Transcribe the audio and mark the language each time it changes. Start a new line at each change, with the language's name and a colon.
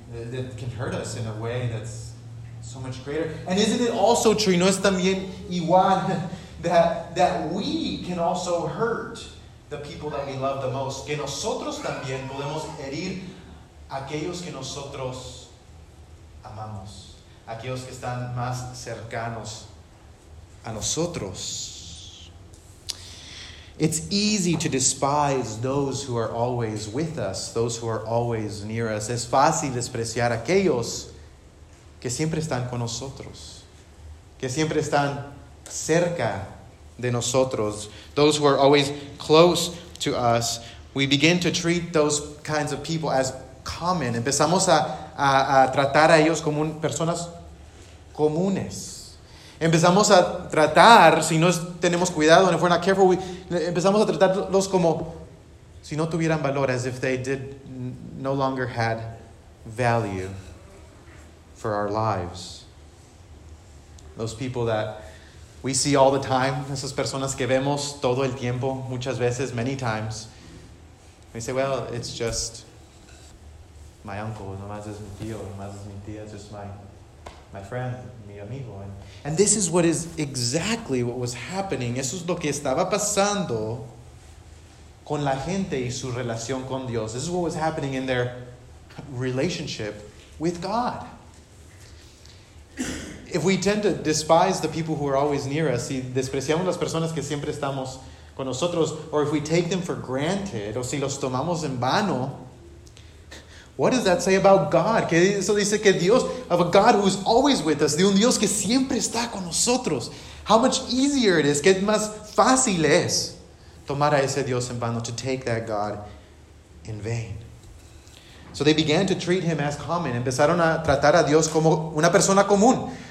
English: That can hurt us in a way that's so much greater. And isn't it also true,
Spanish: no es también igual,
English: that we can also hurt the people that we love the most?
Spanish: Que nosotros también podemos herir aquellos que nosotros amamos, aquellos que están más cercanos a nosotros.
English: It's easy to despise those who are always with us, those who are always near us.
Spanish: Es fácil despreciar aquellos que siempre están con nosotros, que siempre están cerca de nosotros,
English: those who are always close to us. We begin to treat those kinds of people as common.
Spanish: Empezamos a tratar a ellos como personas comunes. Empezamos a tratar, si no tenemos cuidado,
English: if we're not careful,
Spanish: empezamos a tratarlos como si no tuvieran valor,
English: as if they did no longer had value for our lives. Those people that we see all the time,
Spanish: esas personas que vemos todo el tiempo, muchas veces,
English: many times, we say, well, it's just my uncle,
Spanish: nomás es mi tío, nomás es mi tía,
English: it's just my friend,
Spanish: mi amigo.
English: And this is what is exactly what was happening.
Spanish: Eso es lo que estaba pasando con la gente y su relación con Dios.
English: This is what was happening in their relationship with God. If we tend to despise the people who are always near us,
Spanish: si despreciamos las personas que siempre estamos con nosotros,
English: or if we take them for granted,
Spanish: o si los tomamos en vano,
English: what does that say about God?
Spanish: Que eso dice que Dios,
English: of a God who is always with us,
Spanish: de un Dios que siempre está con nosotros.
English: How much easier it is,
Spanish: que más fácil es tomar a ese Dios en vano,
English: to take that God in vain. So they began to treat him as common.
Spanish: Empezaron a tratar a Dios como una persona común.